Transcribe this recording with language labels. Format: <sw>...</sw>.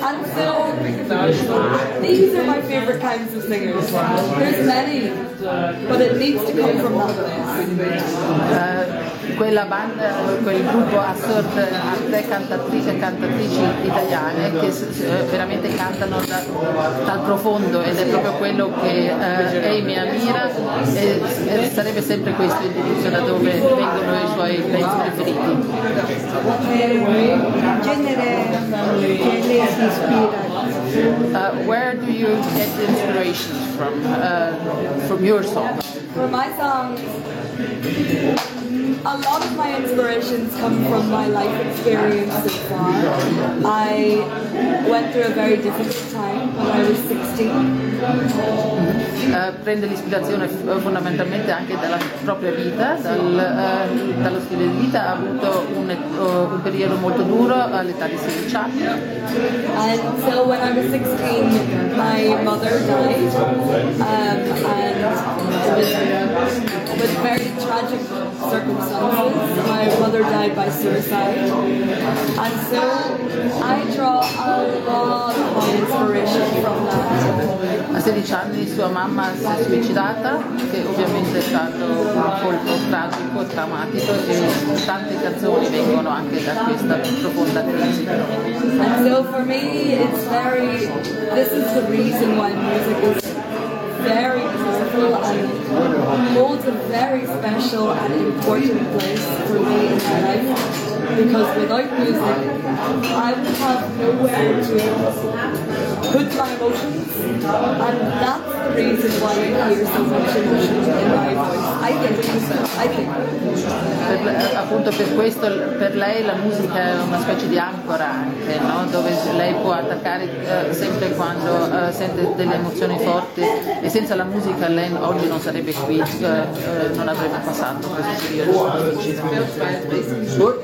<en>And so, these are my favorite kinds of singers. There's many, but it needs to come from that place.</en> <it>Quella banda, quel gruppo Assort, ha tre cantatrici e cantatrici italiane che veramente cantano dal profondo, ed è proprio quello che Amy ammira, e sarebbe sempre questo il luogo da dove vengono i suoi pezzi preferiti. Il genere che lei si ispira?</it> <en>Where do you get inspiration from your song? For my song, a lot of my inspirations come from my life experience so far. I went through a very difficult time when I was 16.</en> <it>Prende l'ispirazione fondamentalmente anche dalla propria vita, dallo stile di vita. Ha avuto un periodo molto duro all'età di 16 anni.</it> <en>And so when I was 16, my mother died, and with very tragic circumstances, my mother died by suicide. And so I draw a lot of my inspiration from that.</en> <it>A 16 anni sua mamma si è suicidata, che ovviamente è stato un colpo tragico, traumatico, e tante canzoni vengono anche da questa profonda crisi.</it> <en>And so for me it's very, this is the reason why music is very powerful and holds a very special and important place for me in my life, because without music I would have nowhere to put my emotions, and that's the reason why I hear so much emotion in my voice. I think so. I think.</en> <it>Per appunto per questo per lei la musica è una specie di ancora anche, no? Dove lei può attaccare sempre quando sente delle emozioni forti, e senza la musica lei oggi non sarebbe qui, non avrebbe passato questo periodo.</it>